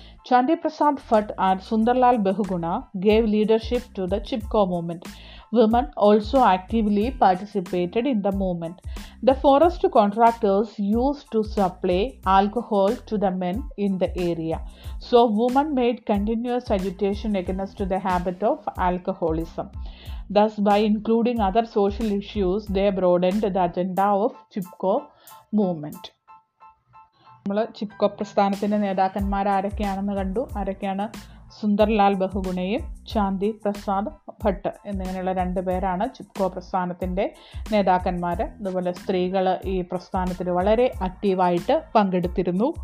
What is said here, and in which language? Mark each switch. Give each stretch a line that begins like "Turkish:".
English: Chandi Prasad Bhatt and Sunderlal Bahuguna gave leadership to the Chipko movement. Woman also actively participated in the movement. The forest contractors use to supply alcohol to the men in the area. So woman made continuous agitation against the habit of alcoholism. Thus, by including other social issues, they broadened the agenda of Chipko movement.
Malayalam: നമ്മൾ ചിപ്കോ പ്രസ്ഥാനത്തിൻ്റെ നേതാക്കന്മാർ ആരൊക്കെയാണെന്ന് കണ്ടു. ആരൊക്കെയാണ്? സുന്ദർലാൽ ബഹുഗുണയും ചാന്തി പ്രസാദ് ഭട്ട് എന്നിങ്ങനെയുള്ള രണ്ട് പേരാണ് ചിപ്കോ പ്രസ്ഥാനത്തിൻ്റെ നേതാക്കന്മാർ. അതുപോലെ സ്ത്രീകൾ ഈ പ്രസ്ഥാനത്തിൽ വളരെ ആക്റ്റീവായിട്ട് പങ്കെടുത്തിരുന്നു.